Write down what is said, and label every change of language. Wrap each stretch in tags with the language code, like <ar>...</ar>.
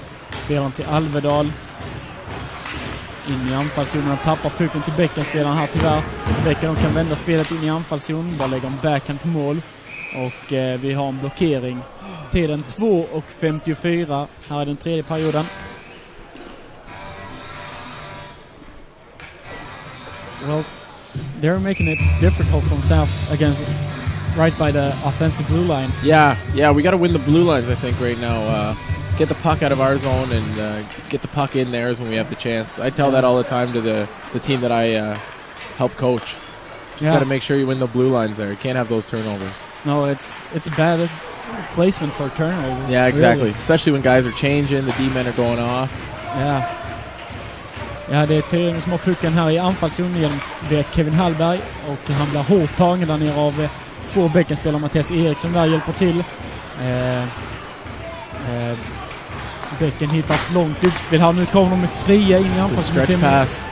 <sv>Spelaren till Alvedal. In i anfallszonen, tappar pucken till bäckenspelaren här tyvärr. Bäcken kan vända spelet in i anfallszonen, bara lägger en backhand på mål. Och vi har en blockering. Tiden 2:54, här är den tredje perioden.</sv> <en>Well, they're making it difficult for themselves against... Right by the offensive blue line. Yeah, yeah, we got to win the blue lines, I think, right now. Get the puck out of our zone and get the puck in theirs when we have the chance. I tell that all the time to the team that I help coach. Just got to make sure you win the blue lines there. You can't have those turnovers. No, it's a bad placement for a turnover. Yeah, exactly. Really. Especially when guys are changing, the D-men are going off. Yeah.</en> <sv>Ja, det är tydligen små pucken här i anfallszonen via Kevin Hallberg. Och han blir hårt tagen där nere av... Två bäckenspelare, Mattias Eriksson där hjälper till. Bäcken hittar ett långt uppspel här. Nu kommer de med fria in i anfallszonen.</sv>